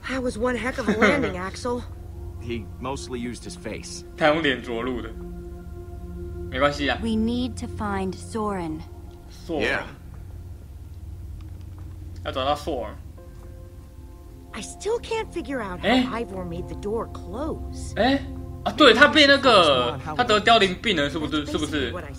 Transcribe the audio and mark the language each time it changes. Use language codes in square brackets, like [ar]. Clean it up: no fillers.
[en] That was one heck of a landing, Axel. He mostly used his face. [zh] 他用脸着陆的，没关系啊。 [en] We need to find Soren. Soren.、Yeah. [zh] 要找到 Soren。 [en] I still can't figure out how Ivor made the door close. [zh] 哎，啊，对他被那个他得凋零病了，是不是？